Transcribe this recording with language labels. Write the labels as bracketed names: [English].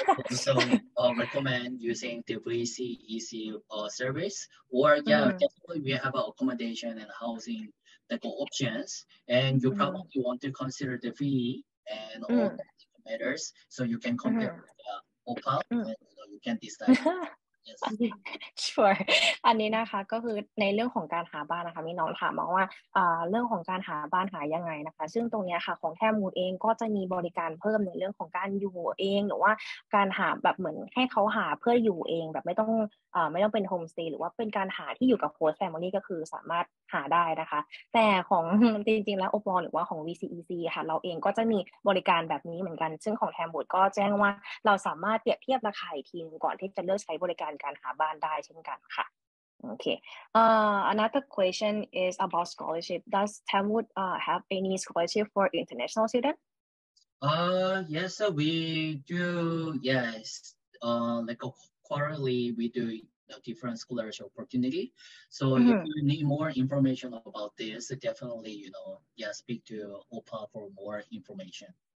[English] So recommend using the VC EC service, or definitely we have accommodation and housing like options, and you probably want to consider the fee and all the matters, so you can compare with OPA, and you know, you can decide. Yes. Sure. [Thai] อันนี้นะคะก็คือในเรื่องของการหาบ้านนะคะมีน้องถามมาว่าเรื่องของการหาบ้านหายังไงนะคะซึ่งตรงนี้ค่ะของแทมูดเองก็จะมีบริการเพิ่มในเรื่องของการอยู่เองหรือว่าการหาแบบเหมือนให้เขาหาเพื่ออยู่เองแบบไม่ต้อง เป็นโฮมสเตย์หรือว่าเป็นการหาที่อยู่กับโฮสต์แฟมิลี่ก็คือสามารถหาได้นะคะแต่ของจริงๆแล้วโอปอลหรือว่าของ VCEC ค่ะเราเองก็จะมีบริการแบบนี้เหมือนกันซึ่งของแทมูดก็แจ้งว่าเราสามารถเปรียบเทียบราคาทีมก่อนที่จะเลือกใช้บริการการหาบ้านได้เช่นกันค่ะโอเค [English] another question is about scholarship. Does Tamwood have any scholarship for international student? Yes, we do. Yes, like quarterly we do a different scholarship opportunity. So if you need more information about this, definitely you know, yeah, speak to OPA for more information.